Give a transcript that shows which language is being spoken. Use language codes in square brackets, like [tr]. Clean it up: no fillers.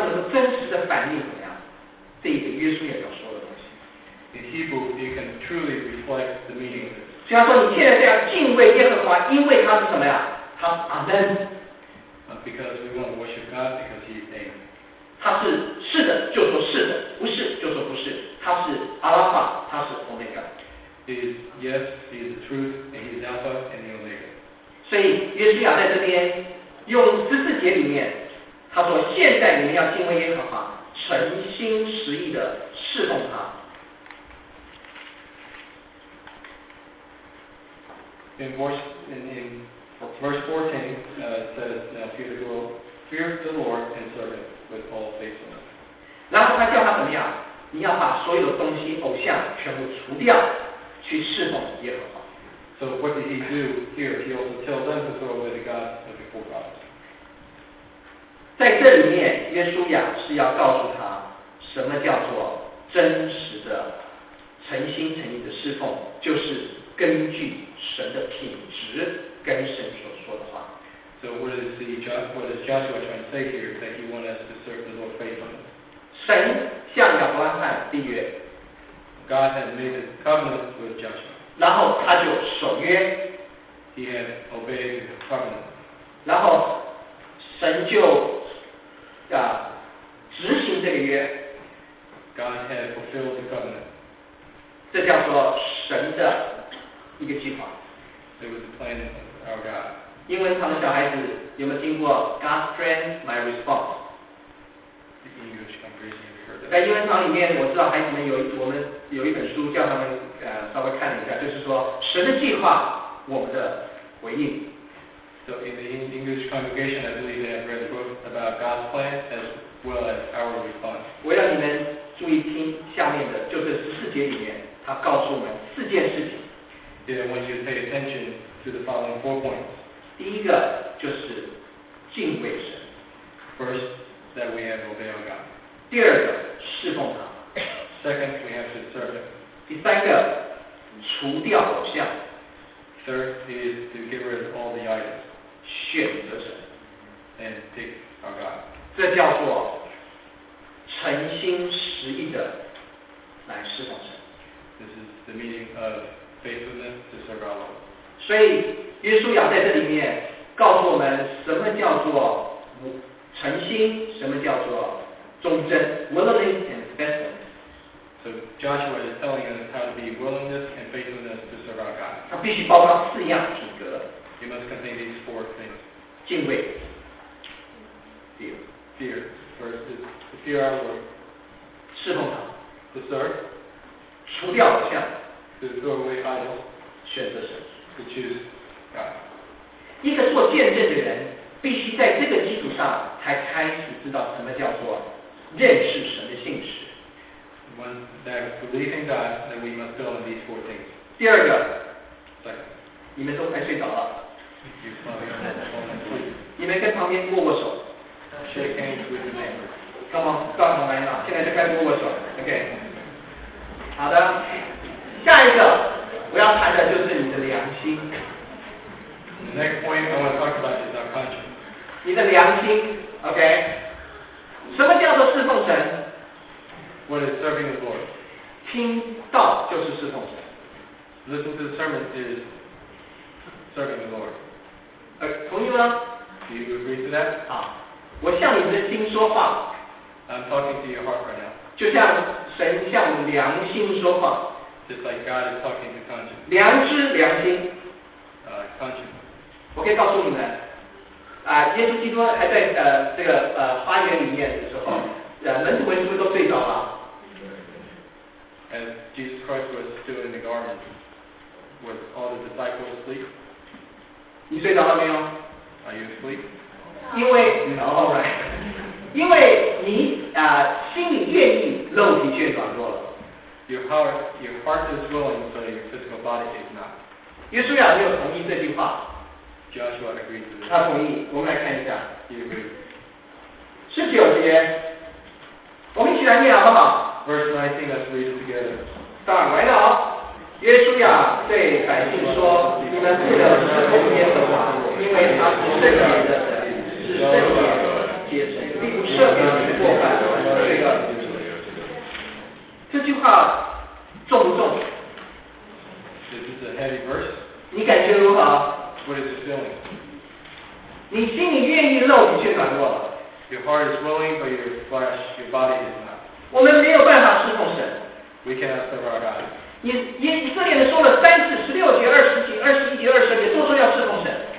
[zh] 这个约书亚要说的东西。 [en] In Hebrew, you can truly reflect the meaning. [zh] 所以他说你现在这样敬畏耶和华，因为他是什么呀？他 Amen. [en] Because we want to worship God because He is Amen. [zh] 他是是的，就说是的；不是，就说不是。他是阿拉法，他是 Omega. [en] He is yes, He is the truth, and He is Alpha and the Omega. [zh] 所以约书亚在这边用十四节里面，他说现在你们要敬畏耶和华，诚心实意的侍奉他。 [en] In verse 14, it says, Now Peter will fear the Lord and serve him with all faithfulness. [zh] 然后他叫他怎么样？你要把所有东西偶像全部除掉，去侍奉耶和华。 [en] So what did he do here? He also tells them to throw away the gods of the four gods. [zh] 在这里面，耶稣亚是要告诉他什么叫做真实的、诚心诚意的侍奉，就是根据神的品质跟神所说的话。 [en] So what is Joshua trying to say here? That he wants us to serve the Lord faithfully. [zh] 神向亚伯拉罕立约。 [en] God has made a covenant with Joshua. [zh] 然后他就守约。 [en] He has obeyed the covenant. [zh] 然后神就执行这个约。 [en] God has fulfilled the covenant. [zh] 这叫做神的一个计划。 [en] It was a plan of our God. [zh] 因为他们小孩子有没有听过 [en] God's plan, my response? The English comprehension you've heard of. [zh] 在英文堂里面，我知道孩子们有我们有一本书叫他们稍微看一下，就是说神的计划，我们的回应。 [en] So in the English congregation, I believe they have read a book about God's plan as well as our response. [zh] 我要你们注意听下面的，就是十四节里面，他告诉我们四件事情。 [en] Then I want you to pay attention to the following four points. [zh] 第一个就是敬畏神。 [en] First, that we have obey our God. [zh] 第二个侍奉他。 [en] Second, we have to serve him. [zh] 第三个除掉偶像。 [en] Third is to get rid of all the idols. [zh] 选择神。 [en] And pick our God. [zh] 这叫做诚心实意的来侍奉神。 [en] This is the meaning of faithfulness to serve our Lord. [zh] 所以耶稣亚在这里面告诉我们什么叫做诚心，什么叫做忠贞 [en] willingness and faithfulness. So Joshua is telling us how to be willingness and faithfulness to serve our God. [zh] 他必须包括四样品格。 [en] He must contain these four things. [zh] 敬畏 [en] Fear. First is to fear our Lord. [zh] 侍奉他 [en] To serve. [zh] 除掉偶像 [en] To throw away idols, [zh] 选择神 [en] to choose God. [zh] 一个做见证的人必须在这个基础上才开始知道什么叫做认识神的信实 [en] One that believes in God, then we must build on these four things. [zh] 第二个 [en] Second. [zh] 你们都快睡着了 [en] You probably are not falling asleep. [zh] 你们跟旁边握握手 [en] Shake hands with your neighbor. Come on, come on, right now. [zh] 现在就该握握手 [en] OK. [zh] 好的下一个我要谈的就是你的良心。 [en] The next point I want to talk about is our conscience. [zh] 你的良心 ，OK？ 什么叫做侍奉神 [en] ？What is serving the Lord？ [zh] 听道就是侍奉神。 [en] Listen to the sermon is serving the Lord. [zh] 同意吗 [en] ？Do you agree to that？ [zh] 好，我向你的心说话。 [en] I'm talking to your heart right now. [zh] 就像神向良心说话。 [en] Just like God is talking to conscience. [zh] 良知良心。 [en] Conscience. [zh] 我可以告诉你们，耶稣基督还在这个花园里面的时候，门徒们是不是都睡着了 [en] ？As Jesus Christ was still in the garden, was all the disciples asleep? [zh] 你睡着了没有 [en] ？Are you asleep? [zh] 因为 [en] ，No, all right. [zh] 因为你心里愿意，肉体却软弱了。 [en] Your heart is willing, but your physical body is not. [zh] 耶稣亚没有同意这句话。 [en] Joshua agreed to this. [zh] 他同意。我们来看一下。 [en] He agreed. [zh] 十九节，我们一起来念好不好 [en] ？Verse 19, let's read it together. [zh] 当然来了啊！耶稣亚对百姓说：“你们不要侍奉耶和华，因为他是圣洁的神，是圣洁的神，且神必不赦免你们过犯和罪恶。” 这句话重不重？ [en] This is a heavy verse. [zh] 你感觉如何？ [en] What is it feeling? [zh] 你心里愿意肉体却软弱了。 [en] Your heart is willing, but your flesh, your body is not. [zh] 我们没有办法侍奉神。 [en] We cannot serve our God. [zh] 以色列人说了三次，16节、20节、21节、22节，都说要侍奉神。